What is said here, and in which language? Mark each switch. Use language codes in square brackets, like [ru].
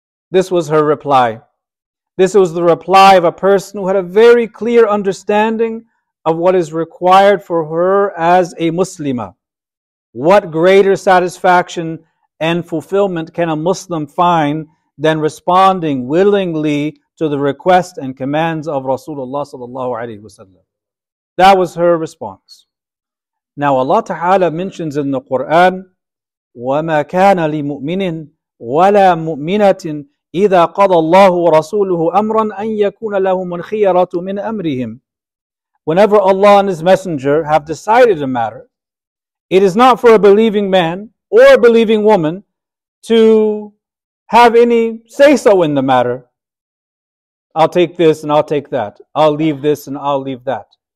[en] This was her reply. This was the reply of a person who had a very clear understanding of what is required for her as a Muslimah. What greater satisfaction and fulfillment can a Muslim find than responding willingly to the request and commands of Rasulullah sallallahu alaihi wasallam? That was her response. Now Allah Ta'ala mentions in the Qur'an, [ar] وَمَا كَانَ لِمُؤْمِنٍ وَلَا مُؤْمِنَةٍ إِذَا قَضَ اللَّهُ وَرَسُولُهُ أَمْرًا أَنْ يَكُونَ لَهُمُ الْخِيَرَةُ مِنْ أَمْرِهِمْ. [en] Whenever Allah and His Messenger have decided a matter, it is not for a believing man or a believing woman to have any say-so in the matter. I'll take this and I'll take that. I'll leave this and I'll leave that.